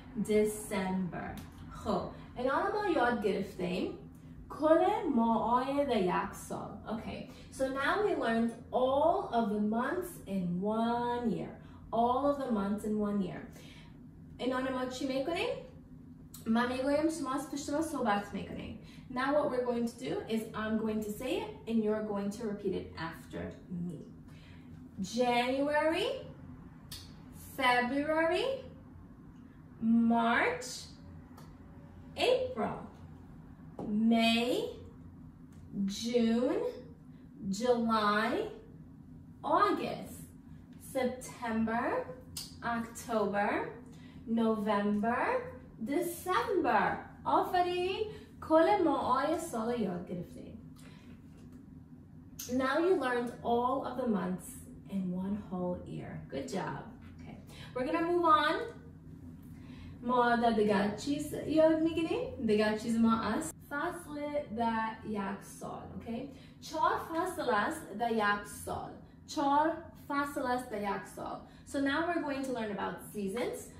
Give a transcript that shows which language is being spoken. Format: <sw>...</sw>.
<fa>دسامبر خب الان ما یاد گرفتیم کل ماه یک سال.</fa> <en>Okay, so now we learned all of the months in 1 year. All of the months in 1 year.</en> <fa>این آن ما چی میکنیم؟ ما میگویم شما از پشت ما صحبت میکنیم.</fa> <en>Now what we're going to do is I'm going to say it and you're going to repeat it after me. January, February, March, April, May, June, July, August, September, October, November, December.</en> <fa>آفرین کل ماهای سال یاد گرفتیم.</fa> <en>Now you learned all of the months in one whole year. Good job. Okay, we're gonna move on.</en> <fa>ما در دیگر چیز یاد میگیریم. دیگر چیز ما از فصل در یک سال. Okay, چهار فصل است در یک سال. چهار فصل است در یک سال.</fa> <en>So now we're going to learn about seasons.</en>